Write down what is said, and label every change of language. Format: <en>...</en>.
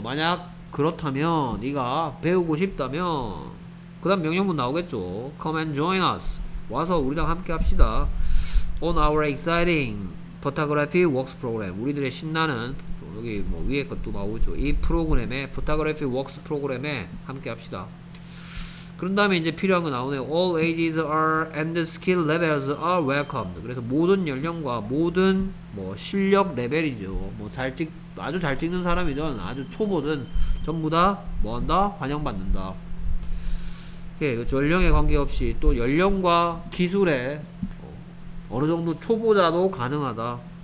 <ko>만약 그렇다면 네가 배우고 싶다면 그 다음 명령문 나오겠죠.</ko> <en>come and join us.</en> <ko>와서 우리랑 함께 합시다.</ko> <en>on our exciting photography works program.</en> <ko>우리들의 신나는 여기 뭐 위에 것도 나오죠. 이 프로그램에 photography works 프로그램에 함께 합시다. 그런 다음에 이제 필요한 거 나오네요.</ko> <en>all ages are and skill levels are welcome.</en> <ko>그래서 모든 연령과 모든 뭐 실력 레벨이죠. 뭐 잘 찍 아주 잘 찍는 사람이든 아주 초보든 전부 다 뭐 한다? 환영받는다. 예, 연령에 관계없이 또 연령과 기술에 어느 정도 초보자도 가능하다.</ko>